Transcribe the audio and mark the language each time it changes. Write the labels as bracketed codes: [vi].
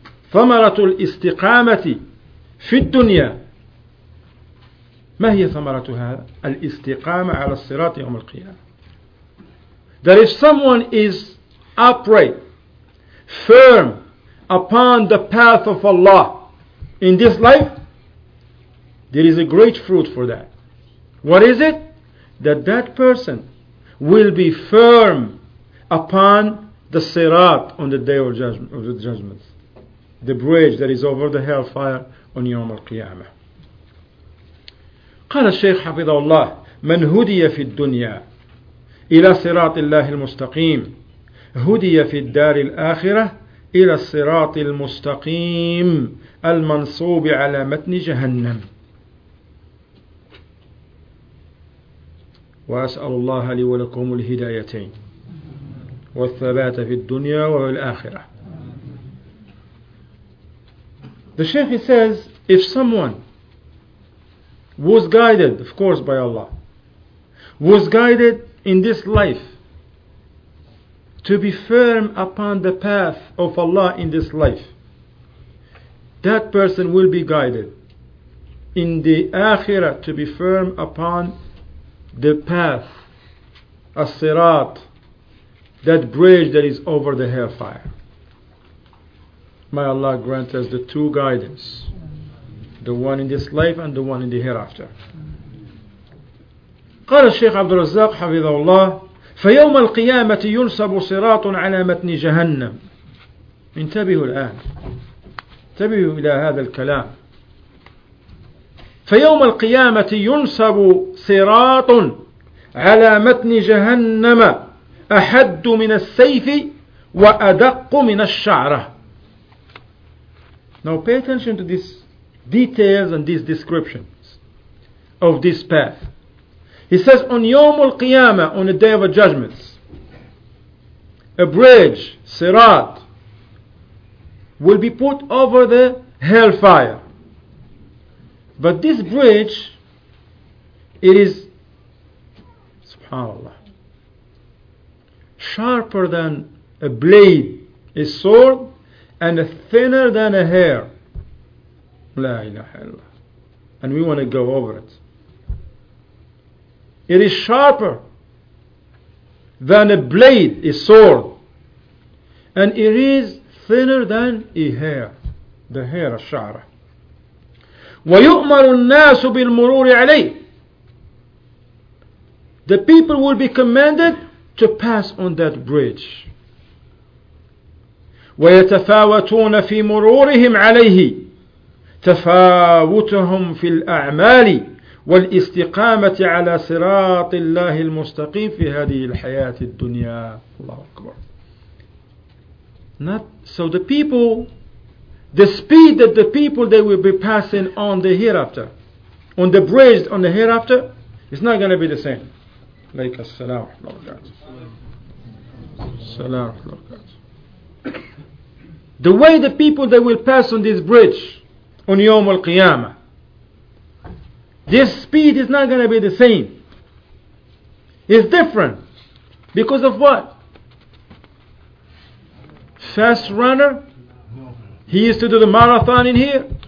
[ar] ثمرة الاستقامة في الدنيا ما هي ثمرتها الاستقامة على الصراط يوم القيامة [en] that if someone is upright firm upon the path of Allah in this life there is a great fruit for that. What is it? That person will be firm upon the Sirat on the Day of Judgment, the bridge that is over the hellfire on Yawm al-Qiyamah. [ar] قال الشيخ حفظه الله من هدي في الدنيا إلى صراط الله المستقيم هدي في الدار الآخرة إلى الصراط المستقيم المنصوب على متن جهنم وأسأل الله لي ولكم الهدايتين والثبات في الدنيا والآخرة. [en] The Sheikh, he says, if someone was guided, of course, by Allah, was guided in this life to be firm upon the path of Allah in this life, that person will be guided in the Akhirah to be firm upon the path, as-sirat, that bridge that is over the hellfire. May Allah grant us the two guidance, the one in this life and the one in the hereafter. [ar] قال الشيخ عبد الرزاق حفظه الله فيوم القيامة ينصب صراط على متن جهنم. انتبهوا الآن, انتبهوا إلى هذا الكلام. فيوم القيامة ينصب صراط على متن جهنم أحد من السيف وأدق من الشعرة. [en] Now pay attention to these details and these descriptions of this path. He says, on Yawm al-Qiyamah, on the Day of Judgments, a bridge, Sirat, will be put over the hellfire. But this bridge, it is, subhanAllah, sharper than a blade, a sword, and thinner than a hair. [ar] La ilaha illallah. [en] And we want to go over it. It is sharper than a blade, a sword. And it is thinner than a hair. The hair, ash-sha'ra. [ar] وَيُؤْمَرُ النَّاسُ بِالْمُرُورِ عَلَيْهِ. [en] The people will be commanded to pass on that bridge. [ar] ويتفاوتون في مرورهم عليه تفاوتهم في الأعمال والاستقامة على صراط الله المستقيم في هذه الحياة الدنيا. الله أكبر. [en] Not, so the people, the speed that the people they will be passing on the hereafter, on the bridge on the hereafter, is not going to be the same. [ar] عليك السلام ورحمة الله وبركاته. السلام ورحمة الله وبركاته. [en] The way the people that will pass on this bridge on Yawm al-Qiyamah, this speed is not going to be the same. It's different. Because of what? Fast runner? He used to do the marathon in here?